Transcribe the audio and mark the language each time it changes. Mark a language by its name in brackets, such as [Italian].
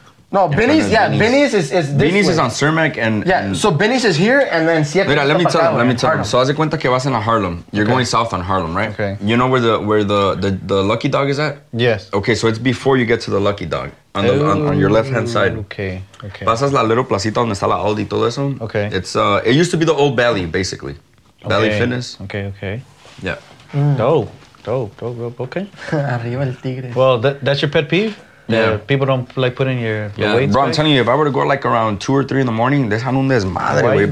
[English] No, in Binny's. Yeah, Binny's is this Binny's way. Is on Cermak and yeah. And so Binny's is here, and then [Spanish] Siete. Mira, [English] let me tell them. So [Spanish] haz de cuenta que vas en Harlem. [English] You're okay. Going south on Harlem, right? Okay. You know where the Lucky Dog is at? Yes. Okay, so it's before you get to the Lucky Dog. On the on your left hand side. Okay. [Spanish] Pasas la little placita donde está la Aldi todo eso. [English] Okay. It's it used to be the old Belly, basically. Belly okay. Fitness. Okay. Yeah. Mm. Dope. Okay. [Spanish] Arriba el tigre. [English] Well, that's your pet peeve? Yeah. People don't like putting your weights. Yeah, bro, I'm telling you, if I were to go like around 2 or 3 in the morning, [Spanish] dejan un desmadre, güey.